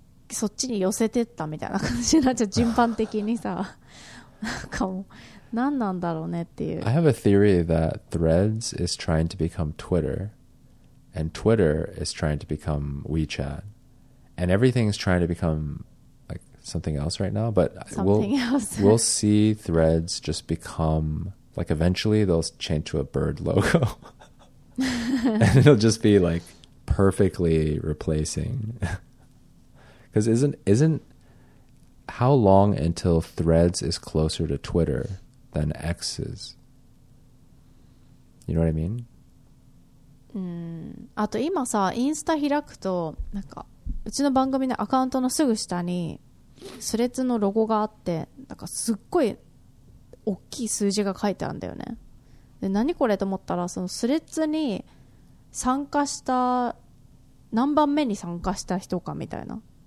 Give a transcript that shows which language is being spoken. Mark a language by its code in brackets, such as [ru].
[ja] そっちに寄せてったみたいな感じになっちゃう、順番的にさ。なんかもう何なんだろうねっていう。 [en] I have a theory that Threads is trying to become Twitter, and Twitter is trying to become WeChat, and everything is trying to become like something else right now. But we'll see Threads just become like eventually they'll change to a bird logo, and it'll just be like perfectly replacing. Because isn't how long until Threads is closer to Twitter than X is? You know what I mean? [ja] あと今さ、インスタ開くとなんかうちの番組のアカウントのすぐ下にスレッズのロゴがあって、なんかすっごい大きい数字が書いてあるんだよね。で、何これと思ったら、そのスレッズに参加した何番目に参加した人かみたいな。